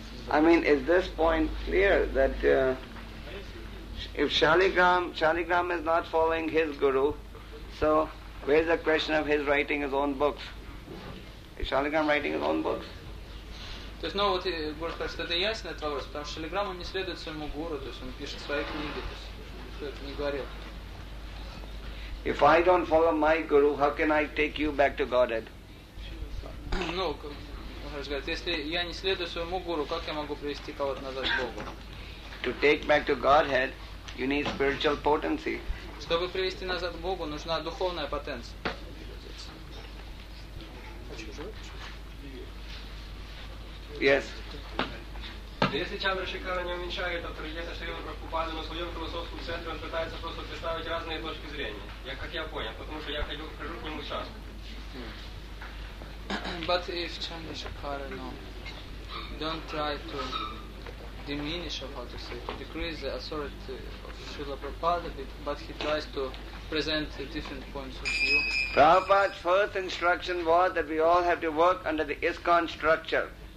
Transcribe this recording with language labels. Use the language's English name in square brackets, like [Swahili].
[English] I mean, is this point clear that if Shaligram is not following his guru, so where is the question of his writing his own books? Is Shaligram writing his own books? [Russian] То есть, ну вот, Гуру сказал, что это ясный этот вопрос, потому что Шалиграм не следует своему гуру, то есть он пишет свои книги, то есть это не говорил. [English] If I don't follow my guru, how can I take you back to Godhead? [Russian] Ну, если я не следую своему гуру, как я могу привести кого-то назад к Богу? [English] To take back to Godhead, you need spiritual potency. [Russian] Чтобы привести назад к Богу, нужна духовная потенция. [English] Yes. [Russian] Если Чандрашекара не уменьшает авторитета Шрилы Прабхупады на своем философском центре, он пытается просто представить разные точки зрения. Я, как я понял, потому что я хожу к нему часто. [English] But if Chandrashekara, no, don't try to diminish, or how to say, to decrease the authority of Srila Prabhupada, but he tries to present different points of view. Prabhupada's first instruction was that we all have to work under the ISKCON structure.